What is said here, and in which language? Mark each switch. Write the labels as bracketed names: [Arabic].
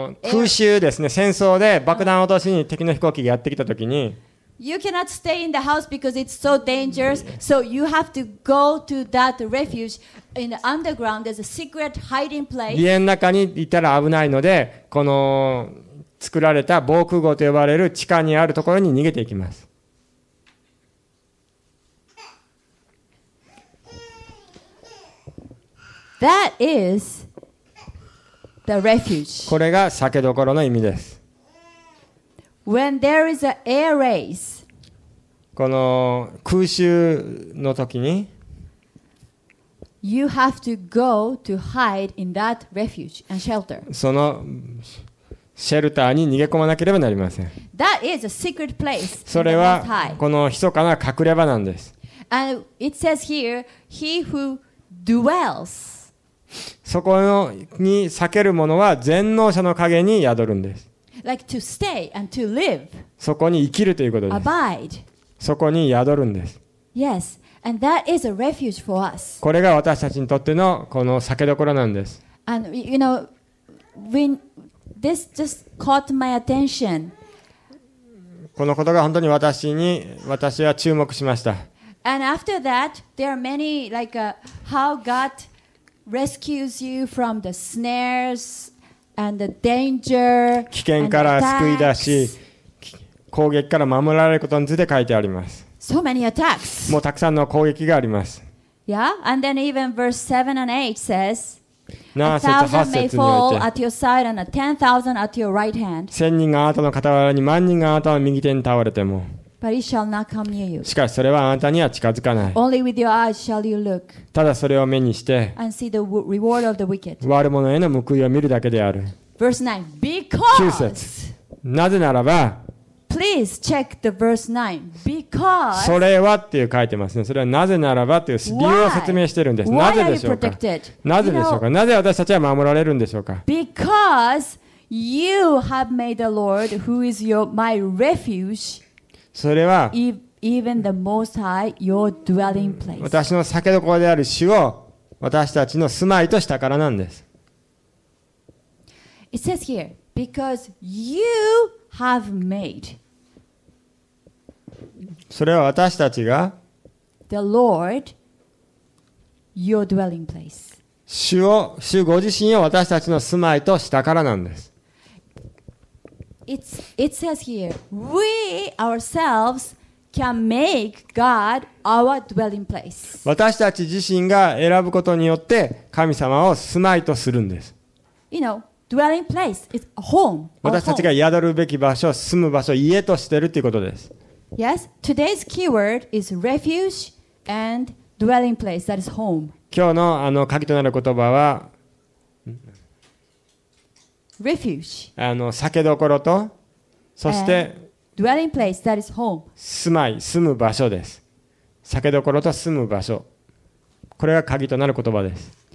[Japanese] 空襲ですね、戦争で爆弾を落としに敵の飛行機がやってきたときに、 [English] You cannot stay in the house because it's so dangerous, so you have to go to that refuge in the underground. There's a secret hiding place. [Japanese] 家の中にいたら危ないので、この作られた防空壕と呼ばれる地下にあるところに逃げていきます。 [English] That is... The refuge. [Japanese] これが避けどころの意味です。 [English] When there is an air race, [Japanese] この空襲の時に、 [English] You have to go to hide in that refuge and shelter. [Japanese] そのシェルターに逃げ込まなければなりません。 [English] That is a secret place. [Japanese] それはこの密かな隠れ場なんです。 [English] And it says here, he who dwells. [Japanese] そこに避けるものは全能者の陰に宿るんです。 [English] Like、to stay and to live. [Japanese] そこに生きるということです。 [English] Abide. [Japanese] そこに宿るんです。 [English] Yes. And that is a refuge for us. [Japanese] これが私たちにとってのこの避けどころなんです。 [English] And you know, when this just caught my attention. [Japanese] このことが本当に私は注目しました。 [English] And after that, there are many like how God. Rescues you from the snares and the danger. [Japanese] 危険から救い出し、攻撃から守られることについて書いてあります。 [English] So many attacks. [Japanese] もうたくさんの攻撃があります。 [English] Yeah, and then even verse 7 and 8 says, [Japanese] 7節8節において、 [English] A thousand may fall at your side and a 10,000 at your right hand. [Japanese] 千人があなたの傍らに、万人があなたの右手に倒れても、 [English] But it shall not come near you. [Japanese] しかしそれはあなたには近づかない。 [English] Only with your eyes shall you look. [Japanese] ただそれを目にして、 [English] and see the reward of the wicked. [Japanese] 悪者への報いを見るだけである。 [English] Verse 9. Because. [Japanese] 9節。なぜならば。 [English] Please check the verse 9. Because. [Japanese] それはっていう書いてますね。それはなぜならばっていう理由を説明してるんです。 [English] Why? [Japanese] なぜでしょうか。 [English] Why are you protected? [Japanese] なぜでしょうか。なぜ私たちは守られるんでしょうか。 [English] Because you have made the Lord, who is your my refuge. [Japanese] それは [English] Even the most high, your dwelling place. [Japanese] 私の避けどころである主を私たちの住まいとしたからなんです。 [English] It says here, because you have made. [Japanese] それは私たちが [English] The Lord, your dwelling place. [Japanese] 主ご自身を私たちの住まいとしたからなんです。 [English] It says here, we ourselves can make God our dwelling place. [Japanese] 私たち自身が選ぶことによって神様を住まいとするんです。 [English] You know, dwelling place is a home. [Japanese] 私たちが宿るべき場所、住む場所、家としてるということです。 [English] Yes, today's keyword is refuge and dwelling place. That is home. [Japanese] 今日のあの鍵となる言葉は。 [English] Refuge. [Japanese] 避けどころと、そして、 [English] dwelling place, that is home. [Japanese] 住まい、住む場所です。避けどころと住む場所。これが鍵となる言葉です。